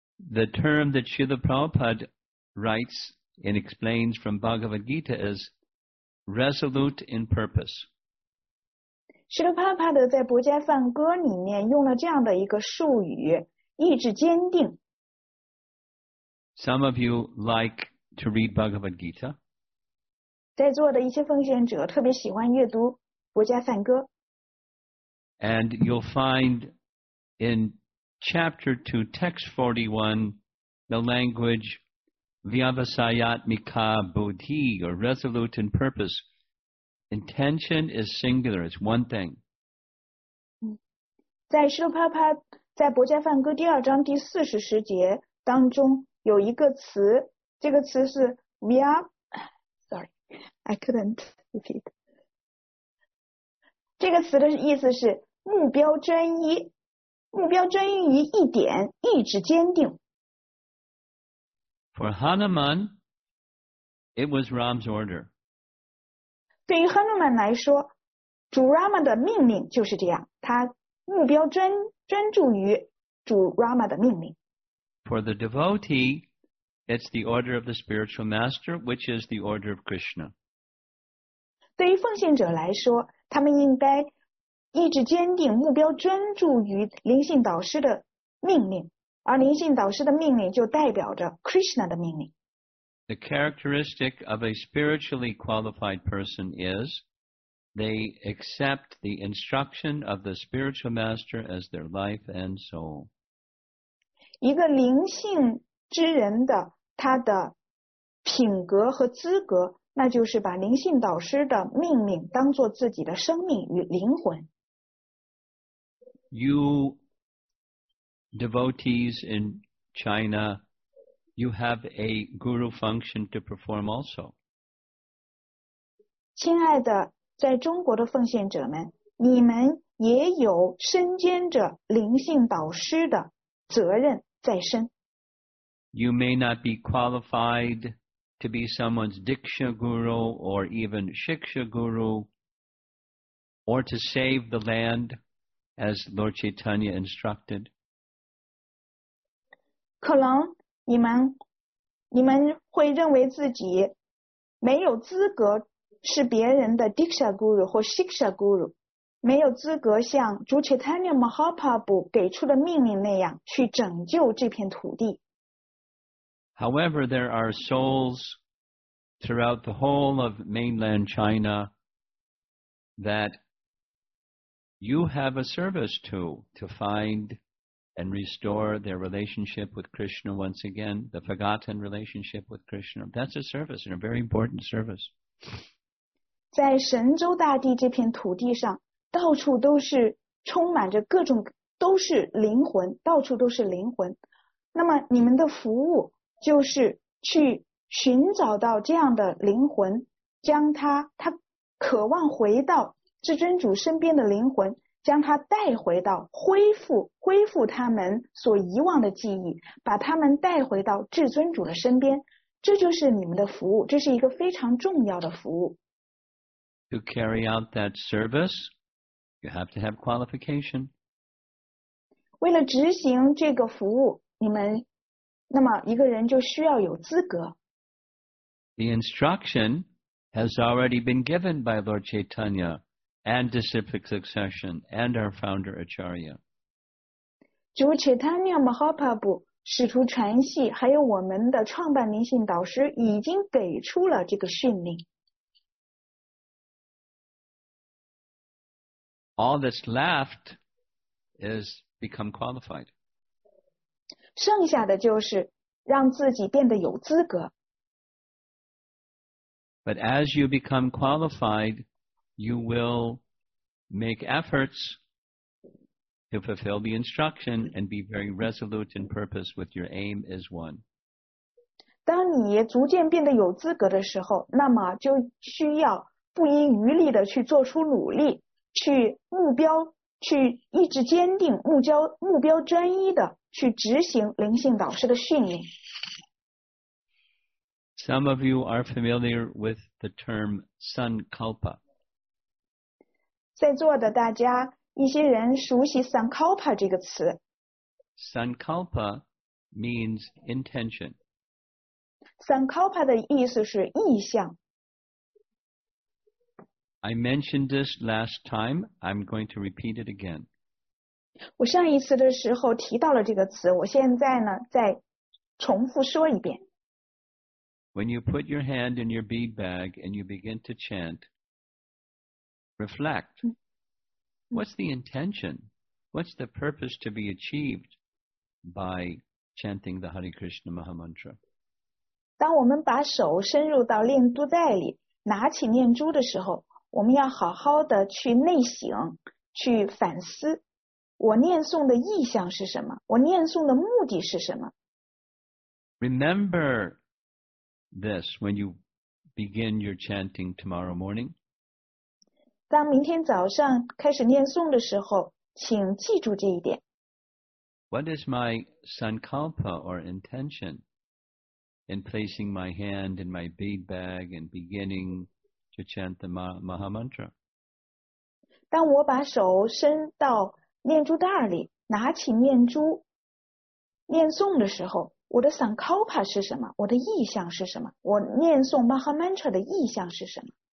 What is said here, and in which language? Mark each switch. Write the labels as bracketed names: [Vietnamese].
[English] The term that Srila Prabhupada writes and explains from Bhagavad Gita is resolute in purpose. [Chinese] Srila Prabhupada 在《薄伽梵歌》里面用了这样的一个术语，意志坚定。 [English] Some of you like to read Bhagavad Gita. [Chinese] 在座的一些奉献者特别喜欢阅读《薄伽梵歌》。 [English] And you'll find in chapter 2, text 41, the language Vyavasayatmika Bodhi, or resolute in purpose. Intention is singular, it's one thing. [Chinese] 在释迦牟尼在《薄伽梵歌》第二章第四十十节当中有一个词，这个词是 [English] Sorry, I couldn't repeat. [Chinese] 这个词的意思是目标专一，目标专一于一点，意志坚定。 [English] For Hanuman, it was Ram's order. [Chinese] 对于 Hanuman 来说，主 Rama 的命令就是这样，他目标专注于主 Rama 的命令。 [English] For the devotee, it's the order of the spiritual master, which is the order of Krishna. [Chinese] 对于奉献者来说，他们应该意志坚定，目标专注于灵性导师的命令，而灵性导师的命令就代表着 Krishna 的命令。 [English] The characteristic of a spiritually qualified person is they accept the instruction of the spiritual master as their life and soul. [Chinese] 一个灵性之人的他的品格和资格，那就是把灵性导师的命令当作自己的生命与灵魂。 [English] You devotees in China, you have a guru function to perform also. [Chinese] 亲爱的，在中国的奉献者们，你们也有身兼着灵性导师的责任在身。 [English] You may not be qualified to be someone's Diksha Guru or even Shiksha Guru or to save the land as Lord Chaitanya instructed. [Chinese] 可能你们会认为自己没有资格是别人的 Diksha Guru 或 Shiksha Guru， 没有资格像主 Chaitanya Mahaprabhu 给出的命令那样去拯救这片土地。 [English] However, there are souls throughout the whole of mainland China that you have a service to find and restore their relationship with Krishna once again, the forgotten relationship with Krishna. That's a service and a very important service. [Chinese] 在神州大地这片土地上，到处都是充满着各种，都是灵魂，到处都是灵魂。那么你们的服务就是去寻找到这样的灵魂，将他渴望回到至尊主身边的灵魂，将他带回到恢复他们所遗忘的记忆，把他们带回到至尊主的身边。这就是你们的服务，这是一个非常重要的服务。 [English] To carry out that service, you have to have qualification. [Chinese] 为了执行这个服务，你们那么一个人就需要有资格。 [English] The instruction has already been given by Lord Chaitanya and disciplic succession and our founder Acharya. [Chinese] 主 Chaitanya Mahaprabhu 使徒传系还有我们的创办灵性导师已经给出了这个训令。 [English] All that's left is become qualified. [Chinese] 剩下的就是让自己变得有资格。 [English] But as you become qualified, you will make efforts to fulfill the instruction and be very resolute in purpose with your aim as one. [Chinese] 当你逐渐变得有资格的时候，那么就需要不遗余力地去做出努力，去目标，去意志坚定，目标专一的去执行灵性导师的训练。 [English] Some of you are familiar with the term sankalpa. [Chinese] 在座的大家，一些人熟悉 sankalpa 这个词。 [English] Sankalpa means intention. [Chinese] Sankalpa 的意思是意向。 [English] I mentioned this last time. I'm going to repeat it again. [Chinese] 我上一次的时候提到了这个词，我现在呢再重复说一遍。 [English] When you put your hand in your bead bag and you begin to chant, reflect. What's the intention? What's the purpose to be achieved by chanting the Hare Krishna Maha Mantra? [Chinese] 当我们把手伸入到念珠袋里，拿起念珠的时候，我们要好好的去内省，去反思。我念诵的意向是什么？我念诵的目的是什么？ [English] Remember this when you begin your chanting tomorrow morning. [Chinese] 当明天早上开始念诵的时候，请记住这一点。 [English] What is my sankalpa or intention in placing my hand in my bead bag and beginning to chant the Maha Mantra? [Chinese] 当我把手伸到念珠袋里，拿起念珠念诵的时候，我的 sankalpa 是什么？我的意向是什么？我念诵 Maha Mantra 的意向是什么？